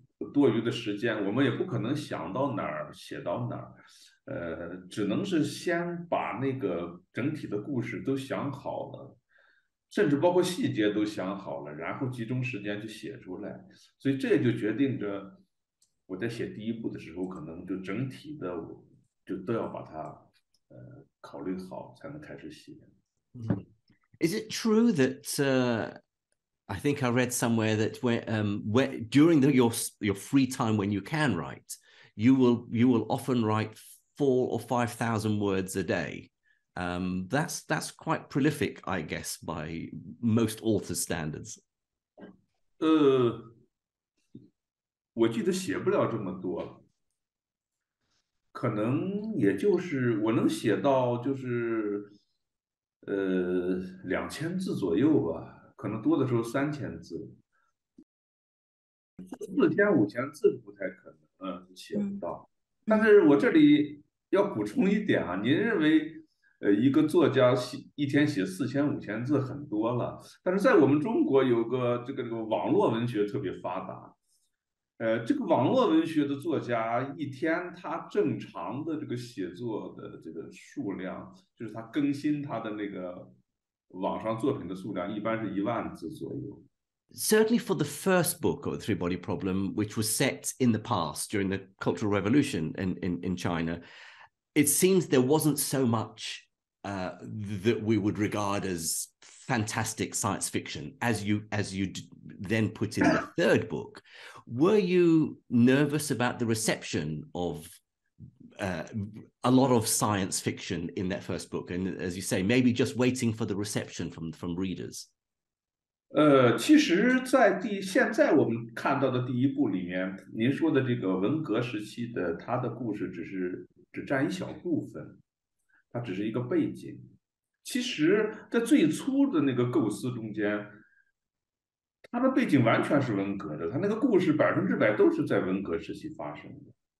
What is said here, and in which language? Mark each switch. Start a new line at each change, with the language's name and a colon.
Chinese: 多余的时间，我们也不可能想到哪儿写到哪儿，只能是先把那个整体的故事都想好了，甚至包括细节都想好了，然后集中时间去写出来。所以这也就决定着我在写第一部的时候，可能就整体的就都要把它考虑好才能开始写。
English: Is it true that I think I read somewhere that during your free time when you can write, you will often write 4,000 or 5,000 words a day. That's quite prolific, I guess, by most author standards.
Chinese: 我记得写不了这么多，可能也就是我能写到就是2,000字左右吧，可能多的时候3,000字，4,000-5,000字不太可能，写不到。但是我这里要补充一点啊，您认为一个作家一天写4,000-5,000字很多了，但是在我们中国有个这个网络文学特别发达，这个网络文学的作家一天他正常的这个写作的这个数量，就是他更新他的那个网上作品的数量一般是10,000字左右。
English: Certainly for the first book of the Three-Body Problem, which was set in the past during the Cultural Revolution in China, it seems there wasn't so much that we would regard as fantastic science fiction, as you then put in the third book. Were you nervous about the reception of a lot of science fiction in that first book? And as you say, maybe just waiting for the reception from readers.
Chinese: 其实在现在我们看到的第一部里面，您说的这个文革时期的他的故事只占一小部分，它只是一个背景。其实在最初的那个构思中间，它的背景完全是文革的，它那个故事100%都是在文革时期发生的。